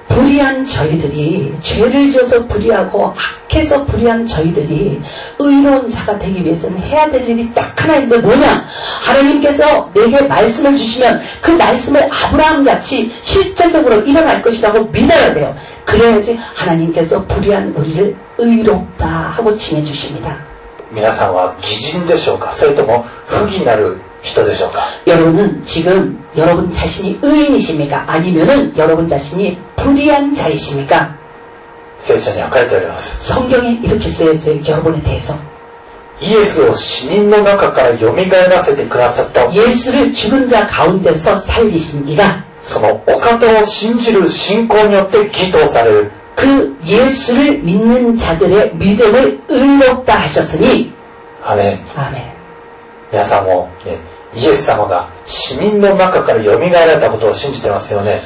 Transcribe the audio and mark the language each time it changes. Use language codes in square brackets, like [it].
[ko] 불의한저희들이죄를지어서불의하고악해서불의한저희들이의로운자가되기위해서는해야될일이딱하나인데뭐냐하나님께서내게말씀을주시면그말씀을아브라함같이실제적으로일어날것이라고믿어야돼요그래야지하나님께서불의한우리를의롭다하고칭해주십니다 [ja] 皆さんは義人でしょうかそれとも不義なる人でしょうか [ko] 여러분은지금여러분자신이의인이십니까아니면은여러분자신이불의한자이십니까 [ja] 성경에書かれております [ko] 성경에이렇게쓰여있어요여러분에대해서 [ja] イエスを死人の中から蘇らせてくださった [ko] 예수를죽은자가운데서살리십니다 [ja] そのお方を信じる信仰によって義とされる [ko] 그예수를믿는자들의믿음을의롭다하셨으니 아멘 아멘 [ja] 皆さんも、ね、イエス様が死人の中から蘇られたことを信じてますよね。